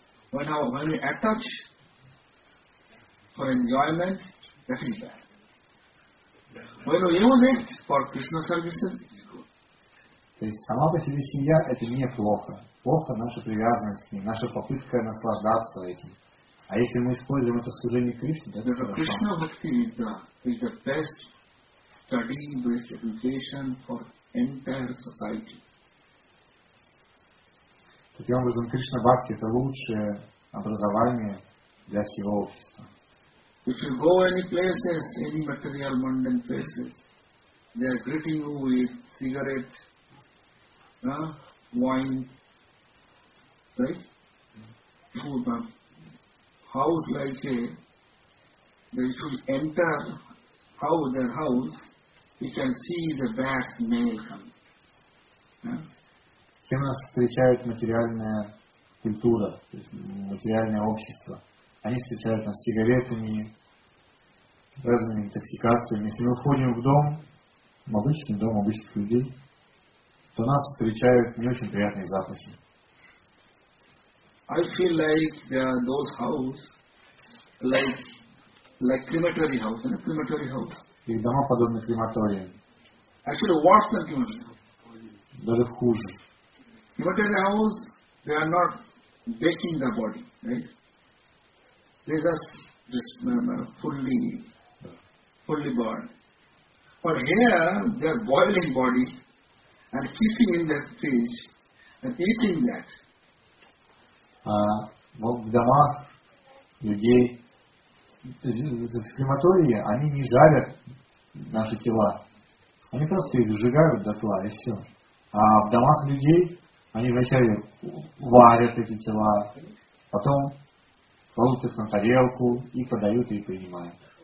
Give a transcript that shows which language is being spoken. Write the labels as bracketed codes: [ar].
[en] When we attach for enjoyment, that is bad. When we use it for Krishna services, [ru] то есть сама по себе семья – это неплохо. Плохо наша привязанность к ней, наша попытка наслаждаться этим. А если мы используем это в служении Кришне, то это [en] Krishna Bhakti Vidya is the best study-based education for entire society. [ru] Таким образом, Кришна Бхакти – это лучшее образование для всего общества. [en] If you go any places, any material mundane places, they are greeting you with cigarette, wine, right? Food, house like a, if you enter house, their house, you can see the vast male coming. [ru] Чем нас встречает материальная культура, то есть материальное общество? Они встречают нас сигаретами, разными интоксикациями. Если мы входим в дом, в обычный дом обычных людей, то нас встречают не очень приятные запахи. [en] I feel like those houses like crematory house, not crematory house. [ru] Их дома подобны крематориям. [en] Actually worse than crematory house. [ru] Даже хуже. [en] Crematory house, they are not baking the body, right? They just fully burn. But here they are boiling body and keeping in that fish and eating that. [ru] Вот в домах людей в крематории они не жарят наши тела. Они просто их сжигают дотла и все. А в домах людей они вначале варят эти тела, потом кладут их на тарелку и подают и принимают.